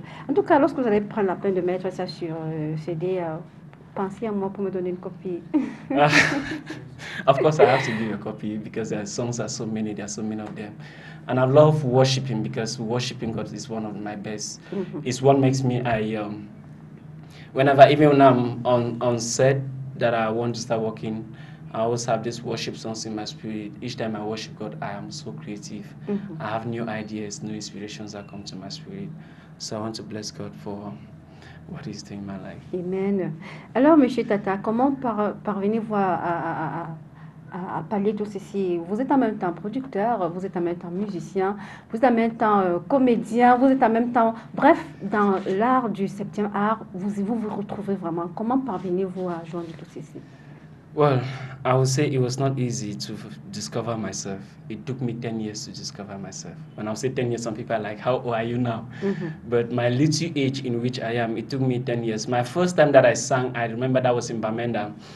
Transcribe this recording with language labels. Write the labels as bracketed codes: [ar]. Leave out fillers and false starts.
[fr] En tout cas, lorsque vous allez prendre la peine de mettre ça sur CD, pensez à moi pour me donner une copie. [en] Of course, I have to give you a copy because the songs are so many, there are so many of them. And I love worshiping because worshiping God is one of my best. Mm-hmm. It's what makes me, whenever, even when I'm on set that I want to start working, I always have this worship songs in my spirit. Each time I worship God, I am so creative. Mm-hmm. I have new ideas, new inspirations that come to my spirit. So I want to bless God for what he's doing in my life. Amen. [fr] Alors, Monsieur Tata, comment parvenez-vous à pallier tout ceci? Vous êtes en même temps producteur, vous êtes en même temps musicien, vous êtes en même temps comédien, vous êtes en même temps... Bref, dans l'art du septième art, vous retrouvez vraiment. Comment parvenez-vous à joindre tout ceci? [en] Well, I would say it was not easy to discover myself. It took me 10 years to discover myself. When I say 10 years, some people are like, how old are you now? Mm-hmm. But my little age in which I am, it took me 10 years. My first time that I sang, I remember that was in Bamenda.